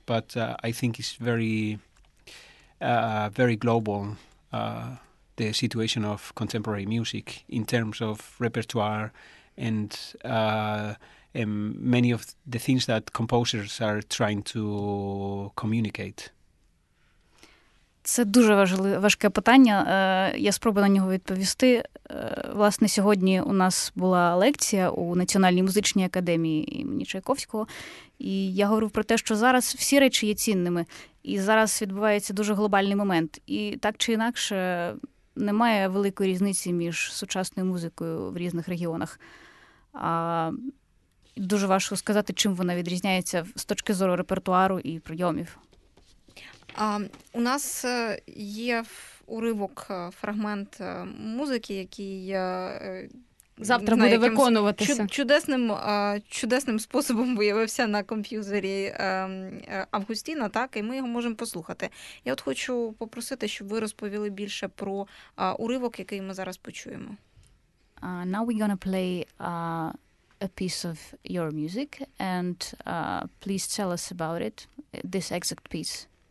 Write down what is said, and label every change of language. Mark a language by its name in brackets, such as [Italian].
[English] But I think it's very, very global, the situation of contemporary music in terms of repertoire and many of the things that composers are trying to communicate. [Ukrainian] Це дуже важке питання. Я спробую на нього відповісти. Власне, сьогодні у нас була лекція у Національній музичній академії імені Чайковського. І я говорю про те, що зараз всі речі є цінними. І зараз відбувається дуже глобальний момент. І так чи інакше, немає великої різниці між сучасною музикою в різних регіонах. Дуже важко сказати, чим вона відрізняється з точки зору репертуару і прийомів. У нас є уривок, фрагмент музики, який завтра буде виконуватися. Чудесним способом виявився на комп'юзері Августіна, так, і ми його можемо послухати. Я от хочу попросити, щоб ви розповіли більше про уривок, який ми зараз почуємо. [English] Now we're gonna play a piece of your music, and please tell us about it, this exact piece.